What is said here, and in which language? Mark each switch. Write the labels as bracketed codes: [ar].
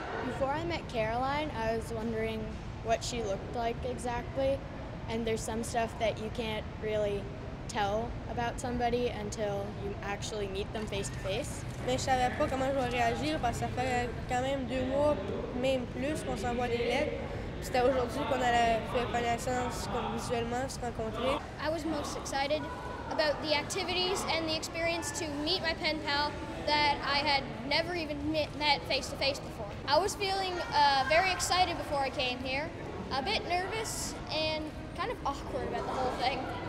[en] Before I met Caroline, I was wondering what she looked like exactly, and there's some stuff that you can't really tell about somebody until you actually meet them face to face. [fr] Mais je savais pas comment je vais réagir parce que ça fait quand même deux mois, même plus, qu'on s'envoie des lettres. C'était aujourd'hui qu'on allait faire connaissance, comme visuellement, se rencontrer. [en] I was most excited about the activities and the experience to meet my pen pal that I had never even met face to face before. I was feeling very excited before I came here, a bit nervous and kind of awkward about the whole thing.